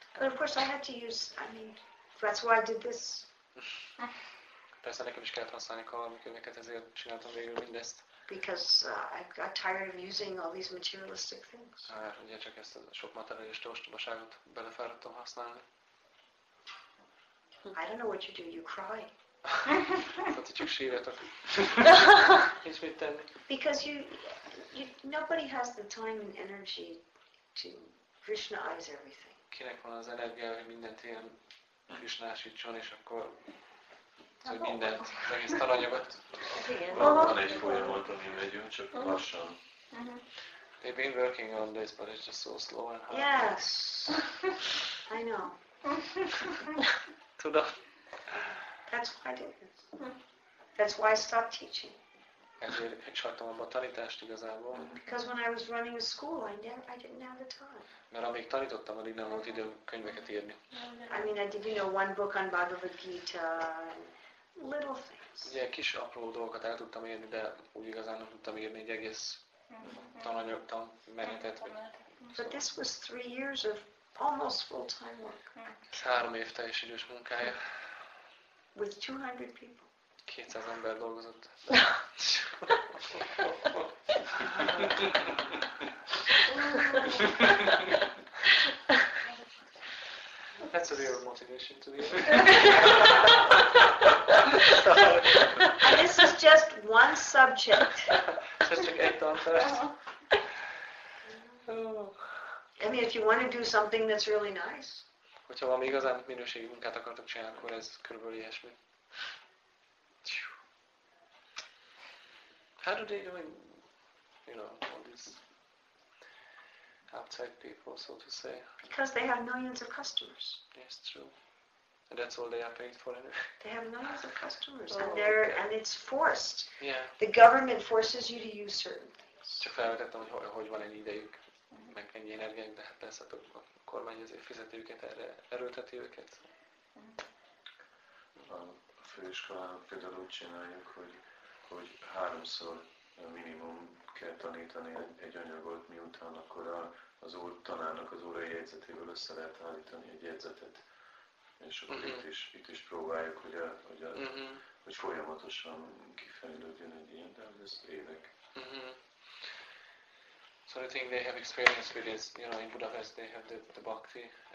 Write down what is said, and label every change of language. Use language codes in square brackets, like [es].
[en] But of course I had to use, I mean, that's why I did this. [hu] Persze nekem is kellett használni karmikönyveket, ezért csináltam végül mindezt. [en] Because I got tired of using all these materialistic things. [hu] Ugye csak ezt a sok materialista ostobaságot belefáradtam használni. [en] I don't know what you do, you cry. [hu] Hát, hogy csak sírjatok. Nincs mit tenni. [en] Because nobody has the time and energy to Krishnaize everything. [hu] Kinek van az energia, hogy mindent ilyen Krishnásítson, és akkor... Hogy mindent, az egész talanyagot. Van egy folyamat, ami megyünk, csak lassan. [en] They've been working on this, but it's just so slow and hard. Yes, I know. [hu] Tudom. [en] That's why I did this. That's why I stopped teaching. [hu] Ezért hagytam abba a tanítást igazából. [en] Because when I was running a school, I didn't have the time. [hu] Mert amíg tanítottam, addig nem volt idő könyveket írni. [en] I mean, I did, you know, one book on Bhagavad Gita, little things. [hu] Ugye kis apró dolgokat el tudtam írni, de úgy igazán nem tudtam írni egy egész tananyag, menetet. [en] But this was 3 years of almost full-time work. [hu] 3 év teljes idős munkája. [en] With 200 people. [hu] 200 ember dolgozott. [en] That's a real motivation to be here. This is just one subject. I mean, if you want to do something that's really nice. [hu] Hogyha valami igazán minőségi munkát akartok csinálni, akkor ez körülbelül ilyesmi. [en] How do they even, you know, all these outside people, so to say? Because they have millions of customers. That's true. And that's all they are paid for anyway. They have millions of customers. And it's forced. Yeah. The government forces you to use certain things. [hu] Csak felvetettem, hogy van ennyi idejük, meg ennyi energiánk, de persze a kormány azért fizeti őket, erőlteti őket. A főiskolán például úgy csináljuk, hogy háromszor minimum kell tanítani egy anyagot, miután akkor az úr tanárnak az órai jegyzetéből össze lehet állítani egy jegyzetet. És akkor itt is próbáljuk, hogy folyamatosan kifejlődjön egy ilyen, de ez évek. Mm-hmm. [en] So I think they have experience with this, you know, in Budapest they have the Bhakti